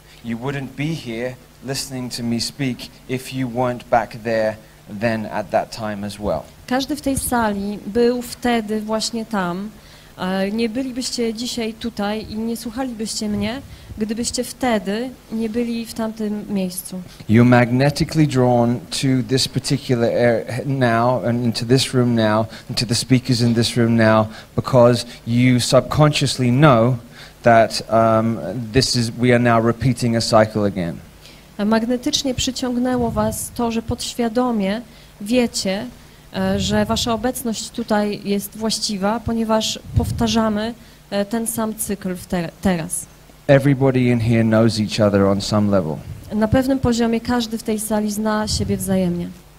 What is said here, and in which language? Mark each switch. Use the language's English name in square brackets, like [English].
[English] You wouldn't be here listening to me speak if you weren't back there then at that time as well. [Polish] Każdy w tej sali był wtedy właśnie tam. Nie bylibyście dzisiaj tutaj i nie słuchalibyście mnie, gdybyście wtedy nie byli w tamtym miejscu. [English] You're magnetically drawn to this particular area now and into this room now and to the speakers in this room now because you subconsciously know that we are now repeating a cycle again. [Polish] Magnetycznie przyciągnęło was to, że podświadomie wiecie, że wasza obecność tutaj jest właściwa, ponieważ powtarzamy ten sam cykl teraz. [English] Everybody in here knows each other on some level. [Polish] Na pewnym poziomie każdy w tej sali zna siebie wzajemnie.